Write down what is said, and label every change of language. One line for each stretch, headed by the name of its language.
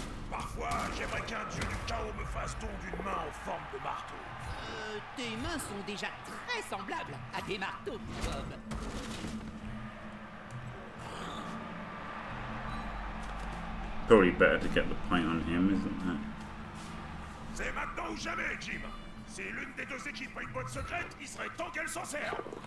French: Parfois, j'aimerais qu'un dieu du chaos me fasse don d'une main en forme de marteau. Tes mains sont déjà très semblables à des marteaux, Bob.
English: Probably better to get the point on him, isn't it?
French: C'est maintenant ou jamais, Jim. Si l'une des deux équipes a une boîte secrète, il serait temps qu'elle s'en serve.